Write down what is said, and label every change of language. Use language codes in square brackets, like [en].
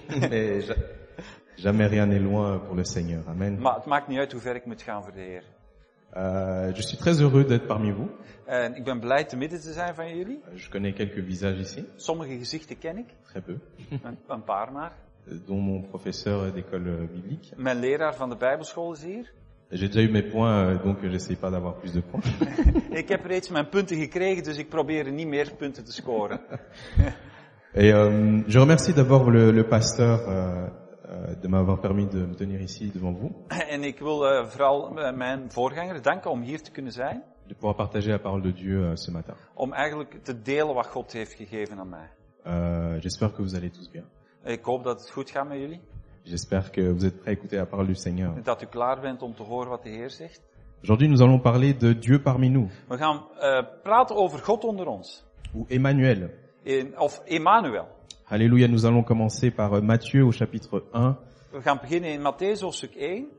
[fr] Mais jamais rien n'est loin pour le Seigneur. Amen. [nl] Maar het maakt niet uit hoe ver ik moet gaan voor de Heer. [fr] Je suis très heureux d'être parmi vous. [nl] Ik ben blij te midden te zijn van jullie. [fr] Je connais quelques visages ici. [nl] Sommige gezichten ken ik. [fr] Très peu. [nl] Een paar maar. [fr] Dont mon professeur d'école biblique. [nl] Mijn leraar van de Bijbelschool is hier. [fr] J'ai déjà eu mes points, donc j'essaie pas d'avoir plus de points. [nl] Ik heb reeds mijn punten gekregen, dus ik probeer niet meer punten te scoren. [fr] Et je remercie d'abord le pasteur. De m'avoir permis de me tenir ici devant vous. [nl] En ik wil vooral mijn voorganger danken om hier te kunnen zijn. [fr] De pouvoir partager la parole de Dieu ce matin. [nl] Om eigenlijk te delen wat God heeft gegeven aan mij. [fr] J'espère que vous allez tous bien. [nl] Ik hoop dat het goed gaat met jullie. [fr] J'espère que vous êtes prêts à écouter la parole du Seigneur. [nl] Dat u klaar bent om te horen wat de Heer zegt. [fr] Aujourd'hui nous allons parler de Dieu parmi nous. [nl] We gaan praten over God onder ons. [fr] Ou Emmanuel. [nl] Of Emmanuel. [fr] Alléluia, nous allons commencer par Matthieu au chapitre 1. [nl] We gaan beginnen in Matthäus hoofdstuk 1.